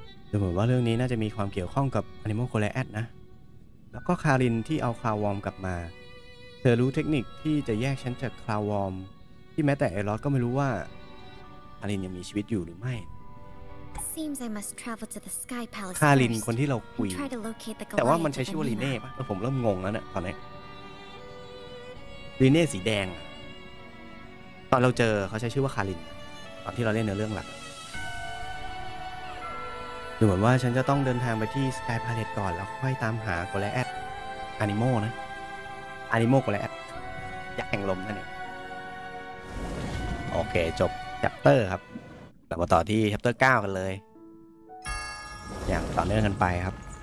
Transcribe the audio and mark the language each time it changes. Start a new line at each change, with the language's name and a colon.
Thai: ดูเหมือนว่าเรื่องนี้น่าจะมีความเกี่ยวข้องกับแอนิโมโคลาแอดนะแล้วก็คารินที่เอาคลาววอร์มกลับมาเธอรู้เทคนิคที่จะแยกฉันจากคลาววอร์มที่แม้แต่เอรอสก็ไม่รู้ว่าคารินยังมีชีวิตอยู่หรือไม่
English: Seems I must travel to the Sky Palace
Thai: คารินคนที่เราคุย
English: try to locate the Goliath
Thai: แต่ว่ามันใช้ชื่อว่าลีเน่ป่ะแล้วผมเริ่มงงแล้วเนี่ยตอนนี้ลีเน่สีแดงตอนเราเจอเขาใช้ชื่อว่าคารินตอนที่เราเล่นเนื้อเรื่องหลักูเหมือนว่าฉันจะต้องเดินทางไปที่สกายพาเลตก่อนแล้วค่อยตามหาโกลแอดอนิโมนะอนิโมโกลแอดยักษ์แห่งลมนั่นเองโอเคจบแชปเตอร์ครับเรามาต่อที่แชปเตอร์9กันเลยอย่างต่อเนื่องกันไปครับ